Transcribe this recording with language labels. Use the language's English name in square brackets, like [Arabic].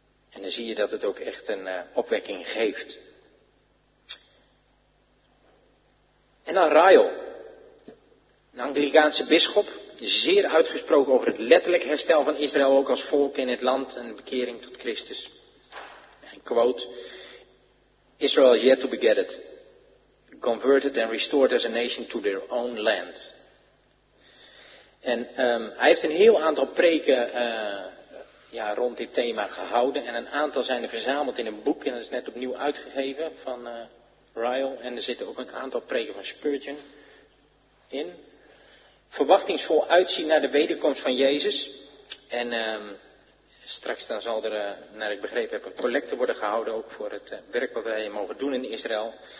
[Dutch] En dan zie je dat het ook echt een opwekking geeft. En dan Ryle, een Anglicaanse bisschop, zeer uitgesproken over het letterlijk herstel van Israël ook als volk in het land en bekering tot Christus. [English] En quote: Israel is yet to be gathered, converted and restored as a nation to their own land. [Dutch] En hij heeft een heel aantal preken rond dit thema gehouden. En een aantal zijn er verzameld in een boek. En dat is net opnieuw uitgegeven van Ryle. En er zitten ook een aantal preken van Spurgeon in. Verwachtingsvol uitzien naar de wederkomst van Jezus. En straks dan zal er, naar ik begrepen heb, een collecte worden gehouden ook voor het werk wat wij mogen doen in Israël.